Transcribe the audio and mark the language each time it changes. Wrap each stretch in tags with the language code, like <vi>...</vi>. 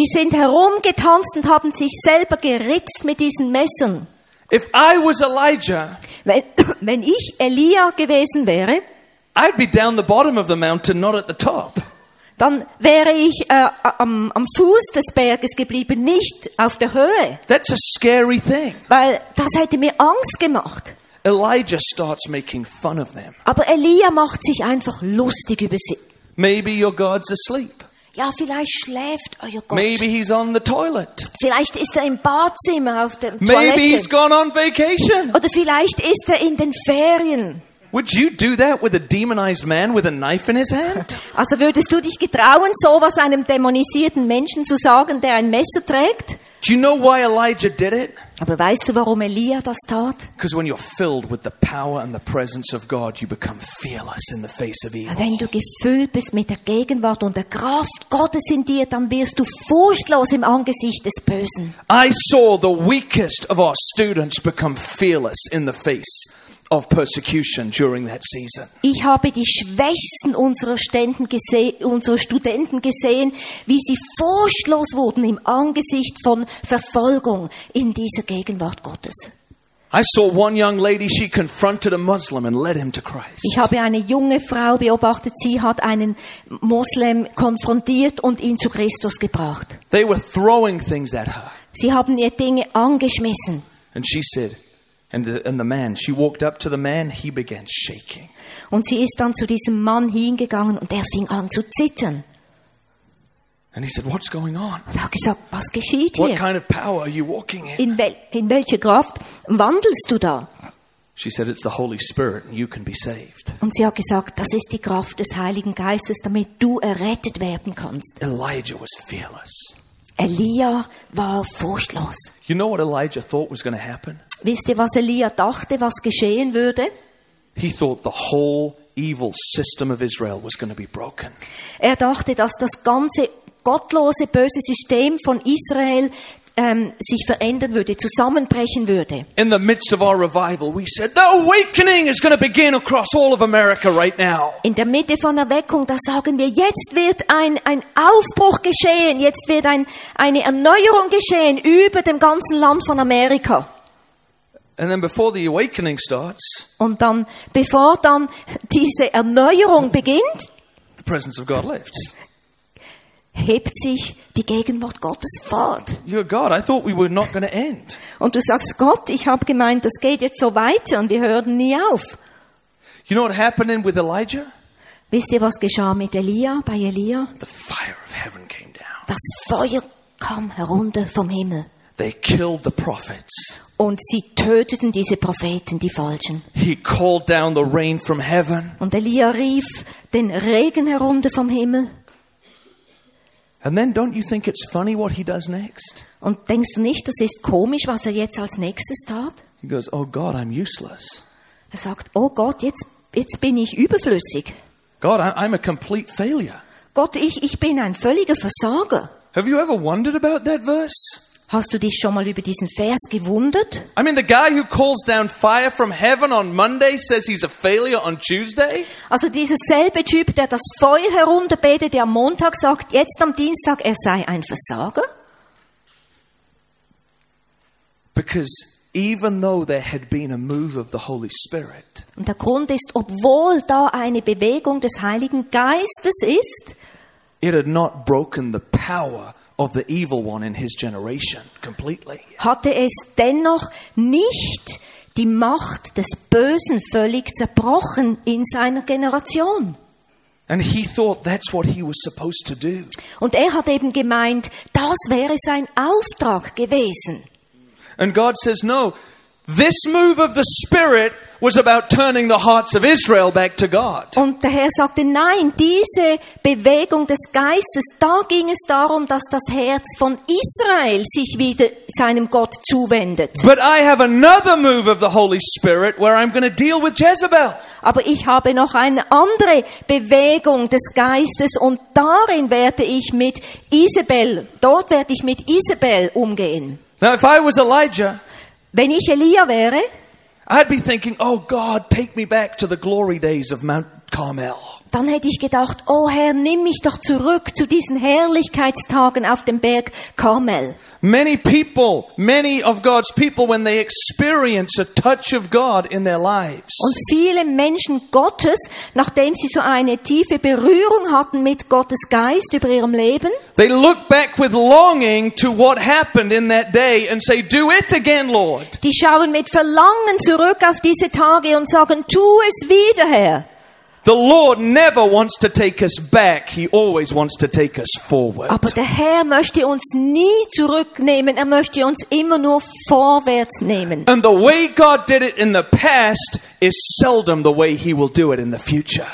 <de>Die sind herumgetanzt und haben sich selber geritzt mit diesen Messern.</de> <en>If I was Elijah,</en> <de>wenn ich Elia gewesen wäre,</de> <en>I'd be down the bottom of the mountain, not at the top.</en> <de>Dann wäre ich am Fuß des Berges geblieben, nicht auf der Höhe.</de> <en>That's a scary thing.</en> <de>Weil das hätte mir Angst gemacht.</de> <en>Elijah starts making fun of them.</en> <de>Aber Elia macht sich einfach lustig über sie.</de> <en>Maybe your God's asleep.</en> <de>Ja, vielleicht schläft euer Gott.</de> <en>Maybe he's on the toilet.</en> <de>Vielleicht ist er im Badezimmer auf der Toilette.</de> <en>Maybe he's gone on vacation.</en> <de>Oder vielleicht ist er in den Ferien.</de> <en>Would you do that with a demonized man with a knife in his hand?</en> <de>Also würdest du dich getrauen, sowas einem dämonisierten Menschen zu sagen, der ein Messer trägt?</de> <en>Do you know why Elijah did it?</en> <de>Aber weißt du, warum Elia das tat?</de> <en>Because when you're filled with the power and the presence of God, you become fearless in the face of evil.</en> <de>Wenn du gefüllt bist mit der Gegenwart und der Kraft Gottes in dir, dann wirst du furchtlos im Angesicht des Bösen.</de> <en>I saw the weakest of our students become fearless in the face of persecution during that season.</en> <de>Ich habe die Schwächsten unserer Studenten gesehen, wie sie furchtlos wurden im Angesicht von Verfolgung in dieser Gegenwart Gottes.</de> <en>I saw one young lady, she confronted a Muslim and led him to Christ.</en> <de>Ich habe eine junge Frau beobachtet, sie hat einen Muslim konfrontiert und ihn zu Christus gebracht.</de> <en>They were throwing things at her.</en> <de>Sie haben ihr Dinge angeschmissen.</de> <en>And she said, And the man, she walked up to the man, he began shaking.</en> <de>Und sie ist dann zu diesem Mann hingegangen und er fing an zu zittern.</de> <en>And he said, "What's going on?"</en> <de>Und er gesagt, was geschieht hier?</de> <en>What kind of power are you walking in?</en> <de>In welche Kraft wandelst du da?</de> <en>She said, "It's the Holy Spirit, and you can be saved."</en> <de>Und sie hat gesagt, das ist die Kraft des Heiligen Geistes, damit du errettet werden kannst.</de> <en>Elijah was fearless.</en> <de>Elia war furchtlos.</de> <en>You know what Elijah thought was going to happen?</en> <de>Wisst ihr, was Elia dachte, was geschehen würde?</de> <en>He thought the whole evil system of Israel was going to be broken.</en> <de>Er dachte, dass das ganze gottlose böse System von Israel sich verändern würde, zusammenbrechen würde.</de> <en>In the midst of our revival, we said the awakening is going to begin across all of America right now.</en> <de>In der Mitte von Erweckung, da sagen wir, jetzt wird ein Aufbruch geschehen, jetzt wird eine Erneuerung geschehen über dem ganzen Land von Amerika.</de> <en>And then before the awakening starts,</en> <de>und dann bevor dann diese Erneuerung beginnt,</de> <en>the presence of God lifts.</en> <de>Hebt sich die Gegenwart Gottes fort.</de> <en>You're God, I thought we were not going to end.</en> <de>Und du sagst, Gott, ich habe gemeint, das geht jetzt so weiter und wir hören nie auf.</de> <en>You know what happened with Elijah?</en> <de>Wisst ihr, was geschah mit Elia, bei Elia?</de> <en>The fire of heaven came down.</en> <de>Das Feuer kam herunter vom Himmel.</de> <en>They killed the prophets.</en> <de>Und sie töteten diese Propheten, die Falschen.</de> <en>He called down the rain from heaven.</en> <de>Und Elia rief den Regen herunter vom Himmel.</de> <en>And then don't you think it's funny what he does next?</en> <de>Und denkst du nicht, das ist komisch, was er jetzt als nächstes tat?</de> <en>He goes, "Oh God, I'm useless."</en> <de>Er sagt, oh Gott, jetzt bin ich überflüssig.</de> <en>God, I'm a complete failure.</en> <de>Gott, ich bin ein völliger Versager.</de> <en>Have you ever wondered about that verse?</en> <de>Hast du dich schon mal über diesen Vers gewundert?</de> <en>I mean, the guy who calls down fire from heaven on Monday says he's a failure on Tuesday.</en> <de>Also dieser selbe Typ, der das Feuer herunterbetet, der am Montag sagt, jetzt am Dienstag, er sei ein Versager.</de> <en>Because even though there had been a move of the Holy Spirit.</en> <de>Und der Grund ist, obwohl da eine Bewegung des Heiligen Geistes ist,</de> <en>it had not broken the power of the evil one in his generation completely.</en> <de>Hatte es dennoch nicht die Macht des Bösen völlig zerbrochen in seiner Generation.</de> <en>And he thought that's what he was supposed to do.</en> <de>Und er hat eben gemeint, das wäre sein Auftrag gewesen.</de> <en>And God says, no, this move of the Spirit was about turning the hearts of Israel back to God.</en> <de>Und der Herr sagte, nein, diese Bewegung des Geistes, da ging es darum, dass das Herz von Israel sich wieder seinem Gott zuwendet.</de> <en>But I have another move of the Holy Spirit where I'm going to deal with Jezebel.</en> <de>Aber ich habe noch eine andere Bewegung des Geistes und darin werde ich mit Isabel, dort werde ich mit Isabel umgehen.</de> <en>Now if I was Elijah,</en> <de>wenn ich Elia wäre,</de> <en>I'd be thinking, oh God, take me back to the glory days of Mount Carmel.</en> <de>Dann hätte ich gedacht, oh Herr, nimm mich doch zurück zu diesen Herrlichkeitstagen auf dem Berg Karmel.</de> <en>Many people, many of God's people, when they experience a touch of God in their lives.</en> <de>Und viele Menschen Gottes, nachdem sie so eine tiefe Berührung hatten mit Gottes Geist über ihrem Leben,</de> <en>they look back with longing to what happened in that day and say, "Do it again, Lord."</en> <de>Die schauen mit Verlangen zurück auf diese Tage und sagen, tu es wieder, Herr.</de> <en>The Lord never wants to take us back. He always wants to take us forward.</en> <de>Aber der Herr möchte uns nie zurücknehmen. Er möchte uns immer nur vorwärts nehmen.</de> <en>And the way God did it in the past is seldom the way He will do it in the future.</en>